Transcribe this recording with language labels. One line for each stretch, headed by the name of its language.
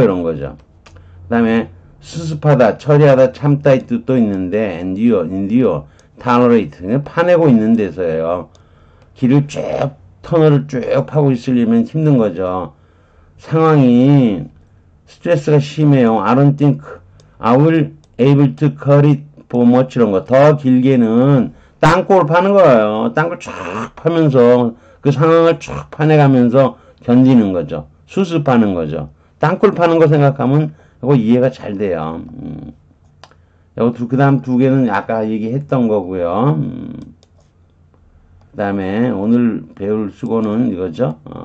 Korean: 이런 거죠. 그 다음에, 수습하다, 처리하다, 참다 이 뜻도 있는데,
English: endure, endure, tolerate.
Korean: 파내고 있는 데서예요. 길을 쭉, 터널을 쭉 파고 있으려면 힘든 거죠. 상황이 스트레스가 심해요.
English: I don't think I will able to cut it for much.
Korean: 이런 거. 더 길게는 땅굴 파는 거예요. 땅굴 쫙 파면서, 그 상황을 쫙 파내가면서, 견디는 거죠. 수습하는 거죠. 땅굴 파는 거 생각하면 이거 이해가 잘 돼요. 그 다음 두 개는 아까 얘기했던 거고요. 그 다음에 오늘 배울 수거는 이거죠.